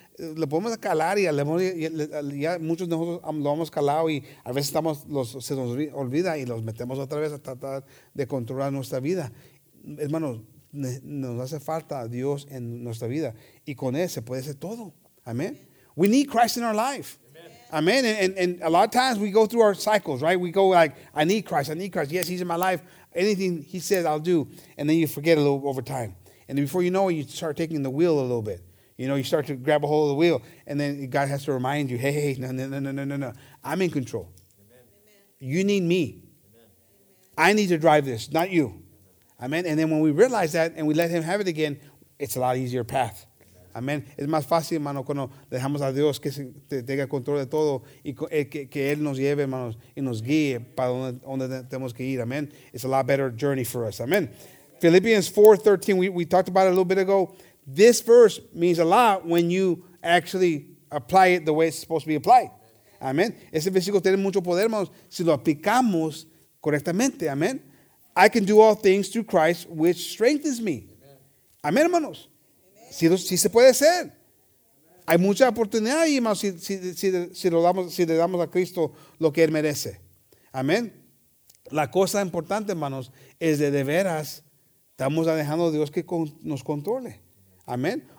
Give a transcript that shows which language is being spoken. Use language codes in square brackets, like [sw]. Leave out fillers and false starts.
[es] Lo podemos calar y ya muchos de nosotros lo hemos calado y a veces se nos olvida y los metemos otra vez a tratar de controlar nuestra vida. Hermano, nos hace falta a Dios en nuestra vida. Y con Él se puede hacer todo. Amén. [en] We need Christ in our life. [es] Amen. [en] And a lot of times we go through our cycles, right? We go like, I need Christ. Yes, he's in my life. Anything he says, I'll do. And then you forget a little over time. And before you know it, you start taking the wheel a little bit. You know, you start to grab a hold of the wheel, and then God has to remind you, hey, no, no, no, no, no, no, no. I'm in control. Amen. You need me. Amen. I need to drive this, not you. Amen. And then when we realize that and we let him have it again, it's a lot easier path. Amen. [es] Es más fácil, hermano, cuando dejamos a Dios que tenga control de todo y que Él nos lleve, hermanos, y nos guíe para donde tenemos que ir. [en] Amen. It's a lot better journey for us. Amen. Philippians 4:13, we talked about it a little bit ago. This verse means a lot when you actually apply it the way it's supposed to be applied. Amen. [es] Ese versículo tiene mucho poder, hermanos, si lo aplicamos correctamente. Amen. [en] I can do all things through Christ, which strengthens me. [es] Amen, hermanos. Sí, sí se puede hacer. Hay mucha oportunidad ahí, hermanos, si le damos a Cristo lo que Él merece. Amén. La cosa importante, hermanos, es de veras estamos dejando a Dios que nos controle. Amén.